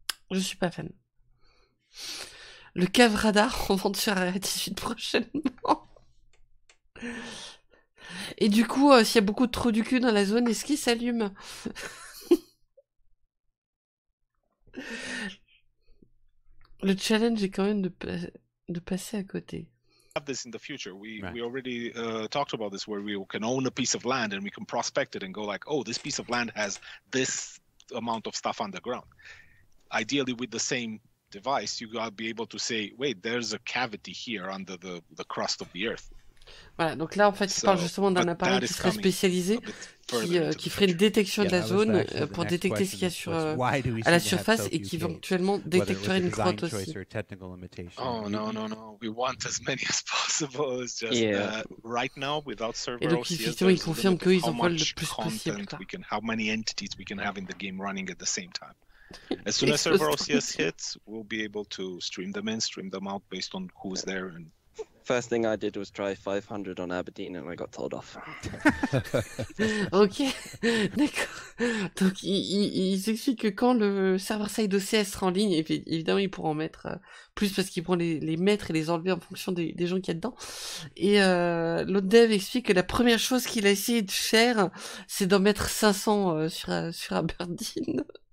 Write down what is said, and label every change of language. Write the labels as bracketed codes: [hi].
[fr] Je suis pas fan. Le cave radar en vente sur R18 prochainement. Et du coup, s'il y a beaucoup de trous du cul dans la zone, est-ce qu'il s'allume? Le challenge est quand même de passer à côté. [en] Have this in the future. We already talked about this where we can own a piece of land and we can prospect it and go like, oh, this piece of land has this amount of stuff underground. Ideally, with the same device, you gotta be able to say, wait, there's a cavity here under the crust of the earth. [fr] Voilà, donc là, en fait, il parle justement d'un appareil qui serait spécialisé, qui ferait une détection de la zone pour détecter ce qu'il y a à la surface et qui éventuellement détecterait une crotte aussi. [en] Oh [fr] non, non, non, [en] we want as many as possible. It's just right now, without server [fr] et donc, [en] OCS, [fr] effectivement, ils confirment qu'ils en veulent le plus possible. [en] How many entities we can have in the game running at the same time. As soon as server OCS hits, we'll be able to stream them in, stream them out based on who's there and. First thing I did was try 500 on Aberdeen and I got told off. [fr] Ok, d'accord. Donc, il explique que quand le server-side OCS sera en ligne, évidemment, il pourra en mettre plus parce qu'il pourra les mettre et les enlever en fonction des gens qu'il y a dedans. Et l'autre dev explique que la première chose qu'il a essayé de faire, c'est d'en mettre 500 sur Aberdeen.